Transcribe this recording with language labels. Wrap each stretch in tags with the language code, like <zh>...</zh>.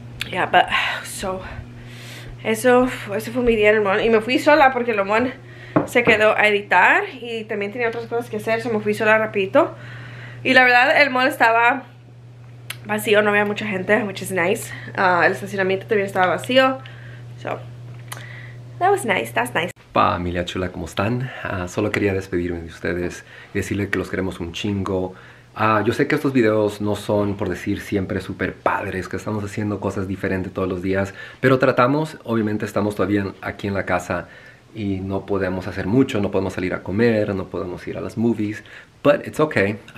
<es>Yeah, but so eso fue mi día en el mall. Y me fui sola porque el mall se quedó a editar y también tenía otras cosas que hacer, so me fui sola rapidito. Y la verdad, el mall estaba vacío, no había mucha gente,</es> <en>which is nice.</en> <es>El estacionamiento también estaba vacío.</es> <en>So, that was nice, that's nice.</en> <es>Familia chula, ¿cómo están? Solo quería despedirme de ustedes y decirle que los queremos un chingo. Yo sé que estos videos no son, por decir, siempre súper padres, que estamos haciendo cosas diferentes todos los días, pero tratamos, obviamente estamos todavía aquí en la casa y no podemos hacer mucho, no podemos salir a comer, no podemos ir a las movies.</es> <en>But it's okay.</en>